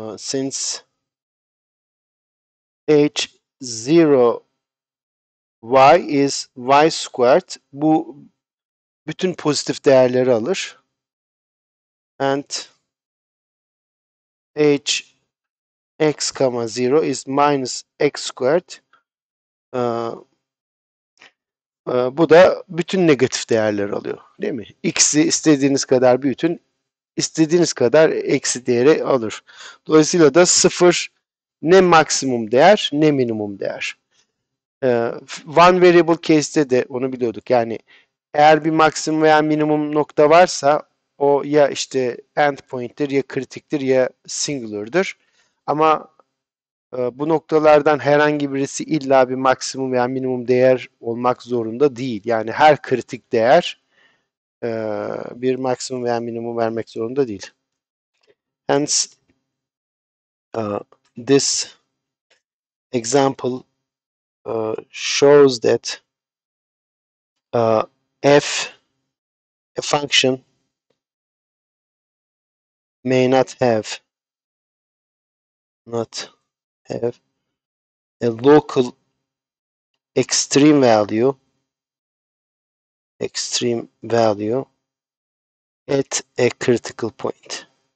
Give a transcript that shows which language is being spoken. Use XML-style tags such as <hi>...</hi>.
<en>Since h 0 y is y squared,</en> <tr>bu bütün pozitif değerleri alır.</tr> <en>And h x comma 0 is minus x squared.</en> <tr>Bu da bütün negatif değerler alıyor. Değil mi? X'i istediğiniz kadar büyütün, istediğiniz kadar eksi değeri alır. Dolayısıyla da sıfır ne maksimum değer ne minimum değer. One variable case'de de onu biliyorduk. Yani eğer bir maksimum veya minimum nokta varsa o ya işte end point'tir ya kritiktir ya singular'dır. Ama bu noktalardan herhangi birisi illa bir maksimum veya minimum değer olmak zorunda değil. Yani her kritik değer bir maksimum veya minimum vermek zorunda değil.</tr> <en>Hence, this example shows that f, a function, may not have a local extreme value at a critical point.</en>